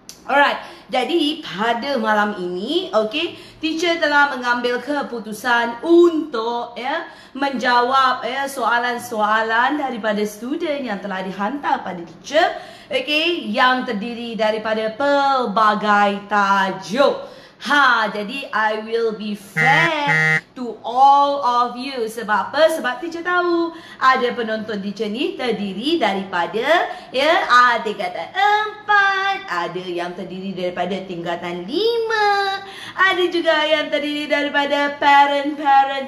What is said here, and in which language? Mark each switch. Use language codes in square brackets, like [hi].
[ms] Alright, jadi pada malam ini, okay, teacher telah mengambil keputusan untuk menjawab soalan-soalan daripada student yang telah dihantar pada teacher. Okey, yang terdiri daripada pelbagai tajuk. [en] Jadi I will be fair to all of you. [ms] Sebab apa? Sebab teacher tahu ada penonton teacher ni terdiri daripada tingkatan 4, ada yang terdiri daripada tingkatan 5, ada juga yang terdiri daripada parent-parent.